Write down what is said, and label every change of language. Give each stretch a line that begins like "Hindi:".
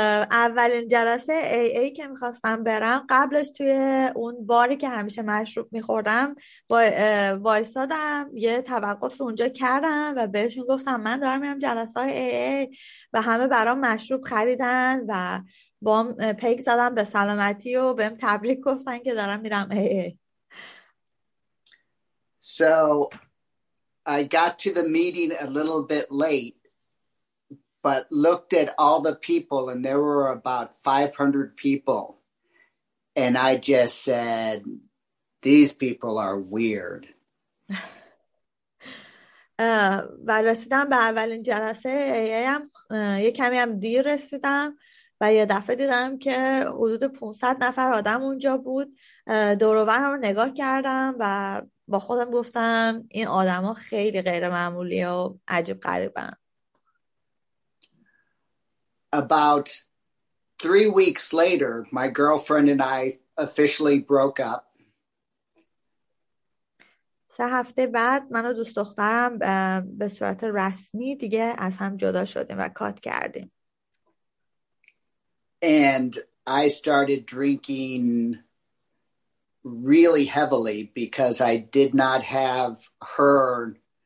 Persian: اولین جلسه AA که میخواستم برم قبلش توی اون باری که همیشه مشروب میخوردم وایستادم یه توقف اونجا کردم و بهشون گفتم من دارم میرم جلسه های AA و همه برام مشروب خریدن و با پیک زدم به سلامتی و بهم تبریک گفتن که دارم میرم AA.
English: So I got to the meeting a little bit late but looked at all the people and there were about 500 people and I just said these people are weird.
Persian: و رسیدم به اولین جلسه AAم یه کمی هم دیر رسیدم و یه دفعه دیدم که حدود 500 نفر آدم اونجا بود. دور و برم رو نگاه کردم و با خودم گفتم این آدما خیلی غیر معمولی و عجیب غریبن.
English: About 3 weeks later, my girlfriend and I officially broke up.
Persian: سه هفته بعد من و دوست دخترم به صورت رسمی دیگه از هم جدا شدیم و کات کردیم.
English: And I started drinking really heavily because I did not have her.